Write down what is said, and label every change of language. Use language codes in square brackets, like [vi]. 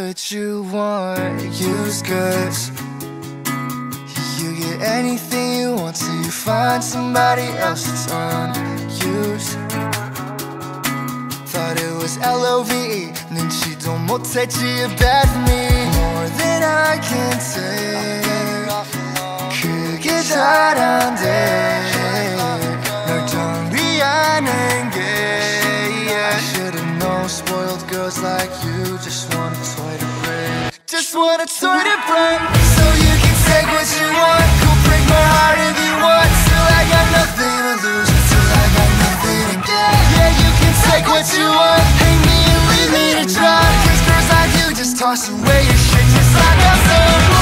[en] You want used goods. You get anything you want till you find somebody else that's unused. Thought it was L-O-V-E. [ko] 눈치도 못했지, [en] you're bad for me. More than I can take. [ko] 그게 잘 안 돼 널 정리하는 게. [en] I should've known spoiled girls like you just want a toy to just want a toy to break. So you can take what you want, go break my heart if you want. Still I got nothing to lose, still I got nothing to gain. Yeah, you can take what you want, hate me and leave me to try. Cause girls like you just toss away your shit just like I'm so.